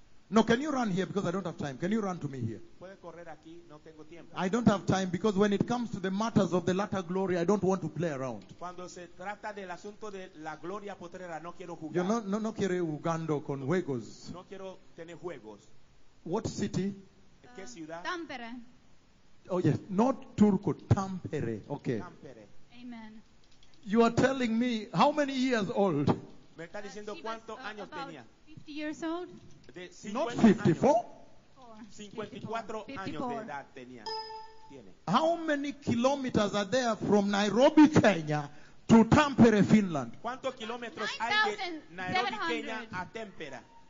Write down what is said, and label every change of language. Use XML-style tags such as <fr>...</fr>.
<en>No, can you run here because I don't have time. Can you run to me here?</en> <es>¿Puede correr aquí? No tengo tiempo.</es> <en>I don't have time because when it comes to the matters of the latter glory, I don't want to play around.</en> <es>Cuando se trata del asunto de la gloria potrera, no quiero jugar. Yo no quiero jugando con juegos. No quiero tener juegos.</es> <en>What city?</en> <es>¿Qué ciudad? Tampere.</es> <en>Oh yes, not Turku, Tampere. Okay. Tampere. Amen. You are telling me how many years old?</en> <es>Me está diciendo cuántos años tenía.</es> <en>50 years old?</en> <es>De 50</es> <en>not 54?</en> <es>Años. 54. 54 años de edad tenía. Tiene.</es> <en>How many kilometers are there from Nairobi, Kenya to Tampere, Finland?</en> <es>¿Cuántos kilómetros hay de Nairobi, Kenya a Tampere?</es>